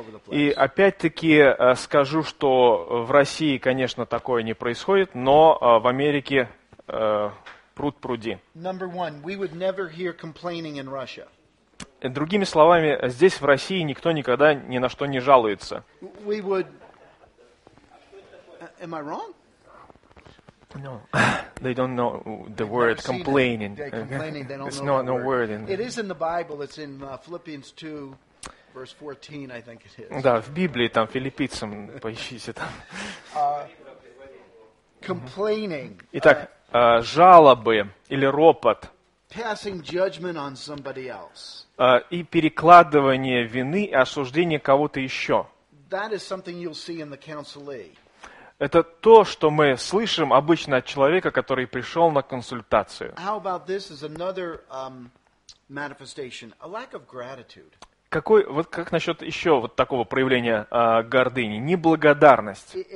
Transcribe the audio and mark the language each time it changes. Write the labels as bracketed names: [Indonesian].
[Russian] И опять-таки скажу, что в России, конечно, такое не происходит, но в Америке пруд пруди. [English] Number one, we would never hear complaining in Russia. [Russian] Другими словами, здесь в России никто никогда ни на что не жалуется. [English] We would... Am I wrong? No, they don't know the word complaining. It's not a word. It is in the Bible. It's in Philippians 2, verse 14, I think it is. [Russian] Да, в Библии там филиппийцам поищите там. [English] Complaining. [Russian] Итак, жалобы или ропот. [English] Passing judgment on somebody else. [Russian] И перекладывание вины и осуждение кого-то еще. [English] That is something you'll see in the counselee. [Russian] Это то, что мы слышим обычно от человека, который пришел на консультацию. [English] How about this is another, manifestation, a lack of gratitude. [Russian] Какой, вот как насчет еще вот такого проявления гордыни, неблагодарность?